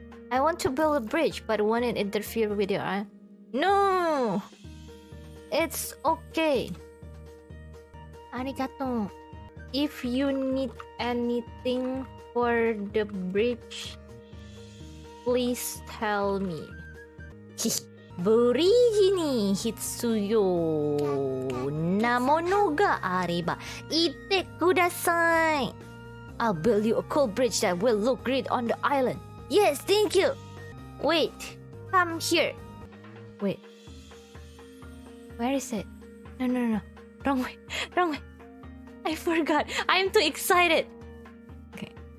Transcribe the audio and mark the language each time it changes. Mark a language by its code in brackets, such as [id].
[en] I want to build a bridge, but won't interfere with your eye. No! It's okay. Arigato. If you need anything for the bridge, please tell me. [ja] ブリージに必要なものがあれば言ってください。 [en] I'll build you a cool bridge that will look great on the island. Yes, thank you. Wait, come here. Wait, where is it? No, wrong way. I forgot, I'm too excited. Okay.